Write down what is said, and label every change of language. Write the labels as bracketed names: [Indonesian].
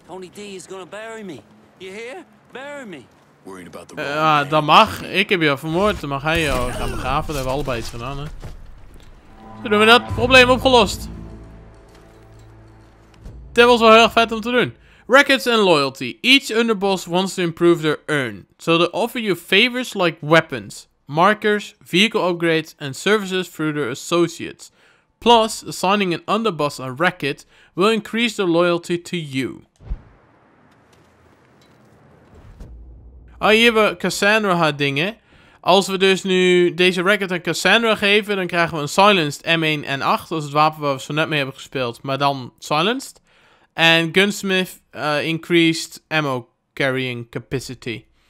[English] Tony D is gonna bury me. You hear? Bury me. [Dutch] Dat mag. Ik heb jou vermoord. Dan mag hij jou gaan begraven. Daar hebben we allebei iets van aan, hè. Dan doen we dat probleem opgelost. Dat was wel heel erg vet om te doen. [English] Records and loyalty. Each underboss wants to improve their earn. So they offer you favors like weapons, markers, vehicle upgrades and services through their associates. Plus, assigning an underboss a record will increase their loyalty to you. [Dutch] Ah, hier hebben we Cassandra haar dingen. Als we dus nu deze record aan Cassandra geven, dan krijgen we een silenced M1 N8. Dat is het wapen waar we zo net mee hebben gespeeld, maar dan silenced. En [English] gunsmith increased ammo carrying capacity.